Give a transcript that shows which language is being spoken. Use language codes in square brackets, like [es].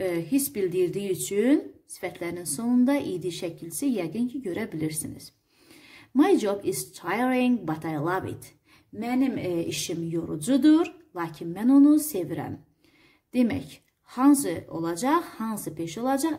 [az] Hiss bildirdiyi üçün sifətlərinin sonunda idi şəkilsi yəqin ki, görə bilirsiniz. [en] My job is tiring, but I love it. [az] Mənim işim yorucudur, lakin mən onu sevirəm. Demək, hansı olacaq, hansı peş olacaq?